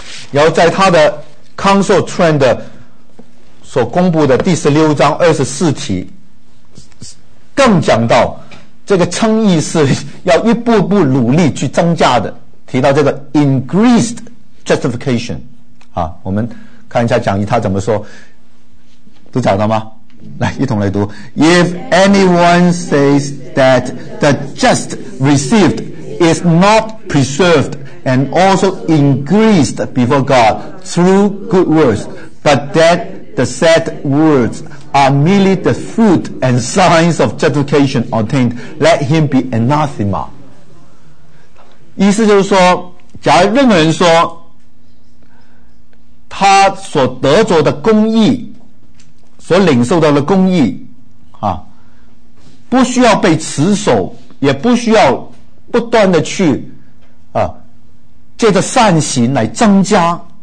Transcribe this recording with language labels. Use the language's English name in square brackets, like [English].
[Chinese] 然后在他的 Council Trend 的所公布的第16章24题更讲到这个称义是要一步步努力去增加的，提到这个 increased justification 啊，我们看一下讲义他怎么说，都找到吗？来一同来读 [English] If anyone says that the just received is not preserved and also increased before God through good words, but that the said words are merely the fruit and signs of justification obtained, let him be anathema. [Chinese] 意思就是说，假如任何人说他所得着的公义，所领受到的公义啊，不需要被持守，也不需要不断的去啊，借着善行来增加，